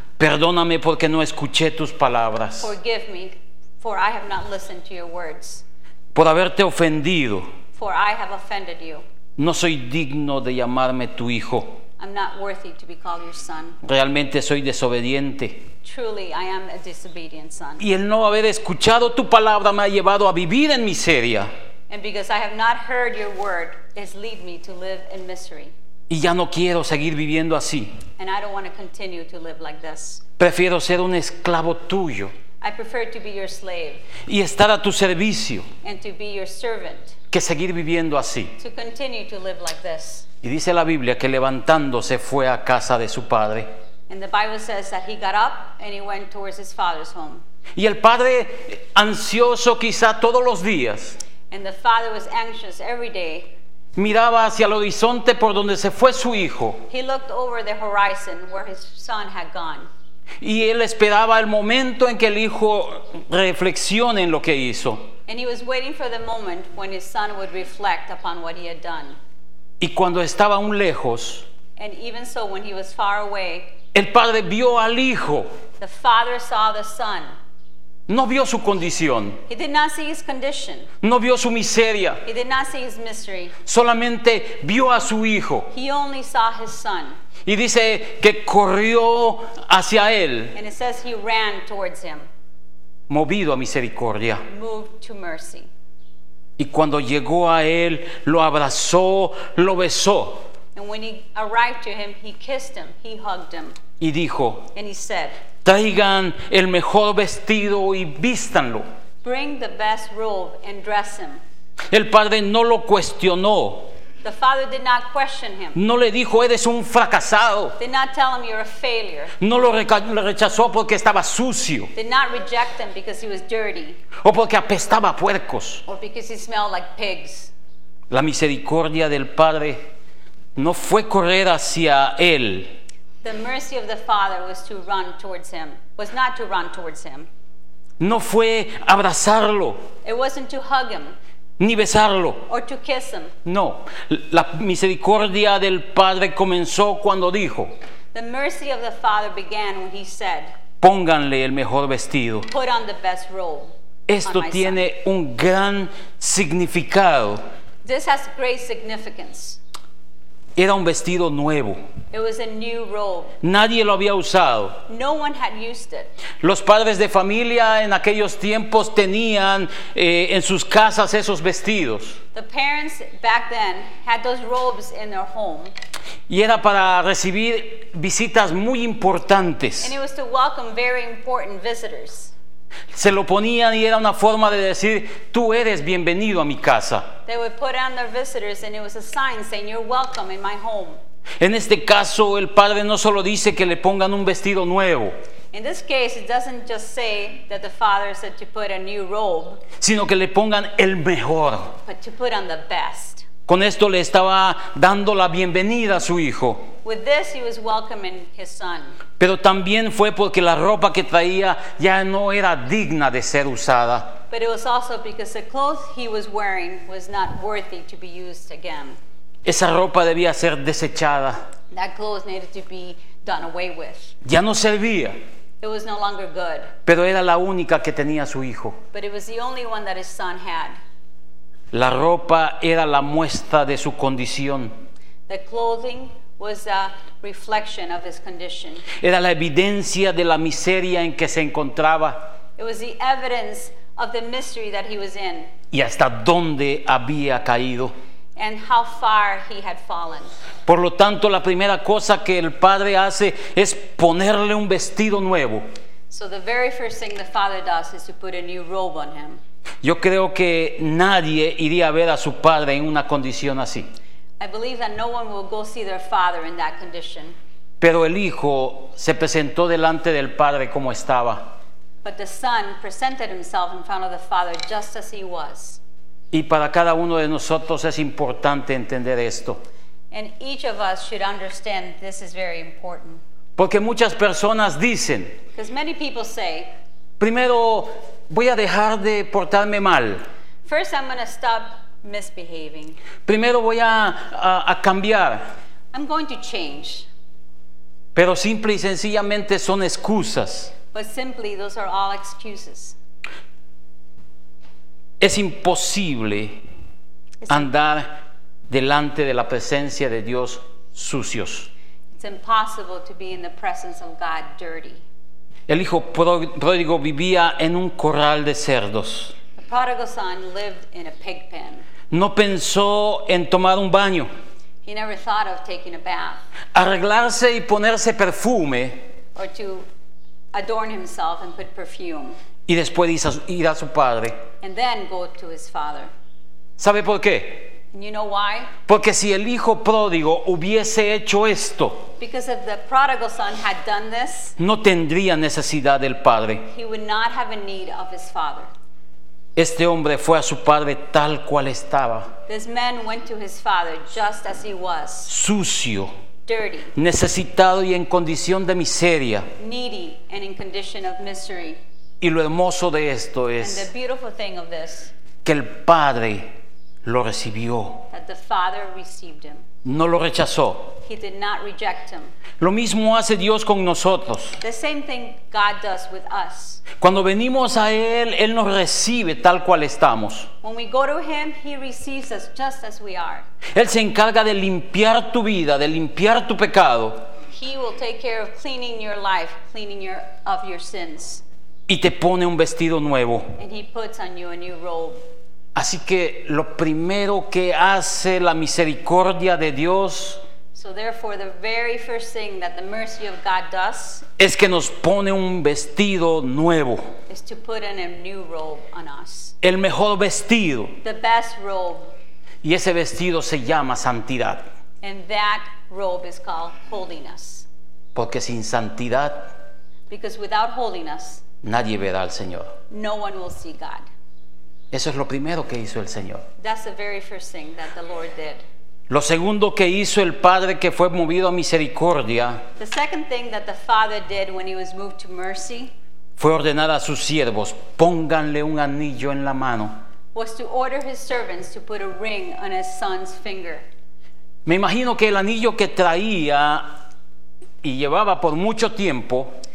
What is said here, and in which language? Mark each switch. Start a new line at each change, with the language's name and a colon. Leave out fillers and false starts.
Spanish: Perdóname porque no escuché tus palabras.
English: Forgive me, for I have not listened to your words.
Spanish: Por haberte ofendido.
English: For I have offended you.
Spanish: No soy digno de llamarme tu hijo.
English: I'm not worthy to be called your son.
Spanish: Realmente soy desobediente.
English: Truly, I am a disobedient son.
Spanish: Y el no haber escuchado tu palabra me ha llevado a vivir en miseria.
English: And because I have not heard your word, has led me to live in misery.
Spanish: Y ya no quiero seguir viviendo así.
English: And I don't want to continue to live like this.
Spanish: Prefiero ser un esclavo tuyo.
English: I prefer to be your slave.
Spanish: Y estar a tu servicio.
English: And to be your servant.
Spanish: Que seguir viviendo así.
English: To continue to live like this.
Spanish: Y dice la Biblia que levantándose fue a casa de su padre.
English: And the Bible says that he got up and he went towards his father's home.
Spanish: Y el padre ansioso quizá todos los días.
English: And the father was anxious every day.
Spanish: Miraba hacia el horizonte por donde se fue su hijo.
English: He looked over the horizon where his son had gone.
Spanish: Y él esperaba el momento en que el hijo reflexione en lo que hizo.
English: And he was waiting for the moment when his son would reflect upon what he had done.
Spanish: Y cuando estaba aún lejos.
English: And even so, when he was far away.
Spanish: El padre vio al hijo.
English: The father saw the son.
Spanish: No vio su condición.
English: He did not see his condition.
Spanish: No vio su miseria.
English: He did not see his misery.
Spanish: Solamente vio a su hijo.
English: He only saw his son.
Spanish: Y dice que corrió hacia él.
English: And it says he ran towards him.
Spanish: Movido a misericordia.
English: Moved to mercy.
Spanish: Y cuando llegó a él, lo abrazó, lo besó.
English: And when he arrived to him, he kissed him, he hugged him.
Spanish: Y dijo,
English: and he said,
Spanish: traigan el mejor vestido y vístanlo.
English: Bring the best robe and dress him.
Spanish: El padre no lo cuestionó.
English: The father did not question him.
Spanish: No le dijo, eres un fracasado.
English: Did not tell him, you're a failure.
Spanish: No lo rechazó porque estaba sucio.
English: Did not reject him because he was dirty.
Spanish: O porque apestaba a puercos.
English: Or because he smelled like pigs.
Spanish: La misericordia del padre no fue correr hacia él.
English: The mercy of the father was to run towards him. Was not to run towards him.
Spanish: No fue abrazarlo.
English: It wasn't to hug him.
Spanish: Ni besarlo.
English: Or to kiss him.
Spanish: No. La misericordia del padre comenzó cuando dijo.
English: The mercy of the father began when he said.
Spanish: Pónganle el mejor vestido.
English: Put on the best robe.
Spanish: Esto tiene un gran significado.
English: This has great significance.
Spanish: Era un vestido nuevo.
English: It was a new robe.
Spanish: Nadie lo había usado.
English: No one had used it.
Spanish: Los padres de familia en aquellos tiempos tenían en sus casas esos vestidos.
English: The parents back then had those robes in their home.
Spanish: Y era para recibir visitas muy importantes.
English: And it was to welcome very important visitors.
Spanish: Se lo ponían y era una forma de decir, tú eres bienvenido a mi casa.
English: They would put on their visitors and it was a sign saying, you're welcome in my home.
Spanish: En este caso, el padre no solo dice que le pongan un vestido nuevo.
English: In this case, it doesn't just say that the father said to put a new robe.
Spanish: Sino que le pongan el mejor.
English: But to put on the best.
Spanish: Con esto le estaba dando la bienvenida a su hijo.
English: With this, he was welcoming his son.
Spanish: Pero también fue porque la ropa que traía ya no era digna de ser usada.
English: But it was also because the clothes he was wearing was not worthy to be used again.
Spanish: Esa ropa debía ser desechada.
English: That clothes needed to be done away with.
Spanish: Ya no servía.
English: It was no longer good.
Spanish: Pero era la única que tenía su hijo.
English: But it was the only one that his son had.
Spanish: La ropa era la muestra de su condición.
English: The clothing was a reflection of his condition.
Spanish: Era la evidencia de la miseria en que se encontraba.
English: It was the evidence of the misery that he was in.
Spanish: Y hasta dónde había caído.
English: And how far he had fallen.
Spanish: Por lo tanto, la primera cosa que el padre hace es ponerle un vestido nuevo.
English: So the very first thing the father does is to put a new robe on him.
Spanish: Yo creo que nadie iría a ver a su padre en una condición así.
English: I believe that no one will go see their father in that condition.
Spanish: Pero el hijo se presentó delante del padre como estaba.
English: But the son presented himself in front of the father just as he was.
Spanish: Y para cada uno de nosotros es importante entender esto.
English: And each of us should understand this is very important.
Spanish: Porque muchas personas dicen,
English: because many people say,
Spanish: primero voy a dejar de portarme mal.
English: First I'm going to stop misbehaving.
Spanish: Primero voy a cambiar.
English: I'm going to change.
Spanish: Pero simple y sencillamente son excusas.
English: But simply those are all excuses.
Spanish: Es imposible andar delante de la presencia de Dios sucios.
English: It's impossible to be in the presence of God dirty.
Spanish: El hijo pródigo vivía en un corral de cerdos.
English: The prodigal son lived in a pig pen.
Spanish: No pensó en tomar un baño.
English: He never thought of taking a bath.
Spanish: Arreglarse y ponerse perfume.
English: Or to adorn himself and put perfume.
Spanish: Y después ir a su padre.
English: And then go to his father.
Spanish: ¿Sabe por qué?
English: And you know why?
Spanish: Porque si el hijo pródigo hubiese hecho esto,
English: because if the prodigal son had done this,
Spanish: no tendría necesidad del padre.
English: He would not have a need of his father.
Spanish: Este hombre fue a su padre tal cual estaba.
English: This man went to his father just as he was.
Spanish: Sucio.
English: Dirty.
Spanish: Necesitado y en condición de miseria.
English: Needy and in condition of misery.
Spanish: Y lo hermoso de esto es,
English: and the beautiful thing of this,
Spanish: que el padre lo recibió.
English: That the father received him.
Spanish: No lo rechazó.
English: He did not reject him.
Spanish: Lo mismo hace Dios con nosotros.
English: The same thing God does with us.
Spanish: Cuando venimos a Él, Él nos recibe tal cual estamos.
English: When we go to Him, He receives us just as we are.
Spanish: Él se encarga de limpiar tu vida, de limpiar tu pecado.
English: He will take care of cleaning your life, cleaning your, of your sins.
Spanish: Y te pone un vestido nuevo.
English: And He puts on you a new robe.
Spanish: Así que lo primero que hace la misericordia de Dios,
English: so therefore the very first thing that the mercy of God does,
Spanish: es que nos pone un vestido nuevo,
English: is to put in a new robe on us,
Spanish: el mejor vestido,
English: the best robe,
Spanish: y ese vestido se llama santidad,
English: and that robe is called holiness,
Spanish: porque sin santidad,
English: because without holiness,
Spanish: nadie verá al Señor,
English: no one will see God.
Spanish: Eso es lo primero que hizo el Señor.
English: That's the very first thing that the Lord did.
Spanish: Lo segundo que hizo el Padre que fue movido a misericordia,
English: the second thing that the Father did when he was moved to mercy,
Spanish: fue ordenar a sus siervos, pónganle un anillo en la mano,
English: was to order his servants to put a ring on his son's finger.
Spanish: Me imagino que el anillo que traía y llevaba por mucho tiempo,